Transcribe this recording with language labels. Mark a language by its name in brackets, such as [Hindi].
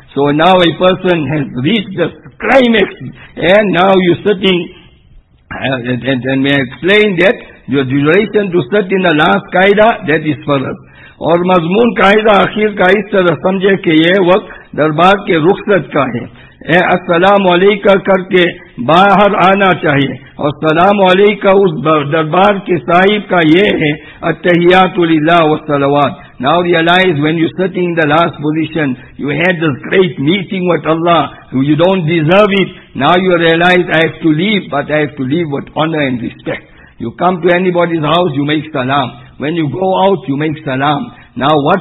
[English] So now a person has reached the climax, and now you're sitting, and may I explain that your duration to sit in the last qaida, that is farz. Or [Urdu] mazmoon qaida, akhir qaida, samjhe ke ye waqt, دربار کے رخصت کا ہے. اے السلام علیکہ کر کے باہر آنا چاہیے, اور السلام علیکہ اس دربار کے صاحب کا یہ ہے [Arabic] التحیات للہ والصلوات. [English] Now realize when you're sitting in the last position, you had this great meeting with Allah, you don't deserve it. Now you realize I have to leave, but I have to leave with honor and respect. You come to anybody's house, you make salam. When you go out, you make salam. Now what?